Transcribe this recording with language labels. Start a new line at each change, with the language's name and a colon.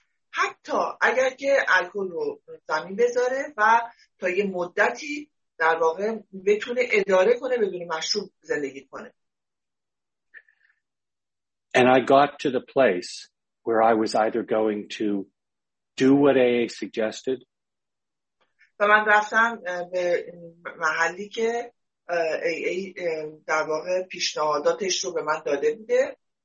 Persian: حتی اگر که الکل رو زمین بذاره و تا یه مدتی در واقع بتونه اداره کنه بدون مشروب زندگی کنه.
English: And I got to the place where I was either going to do what AA suggested.
Persian: و من رفتم به محلی که AA در واقع پیشنهاداتش رو به من داده بوده.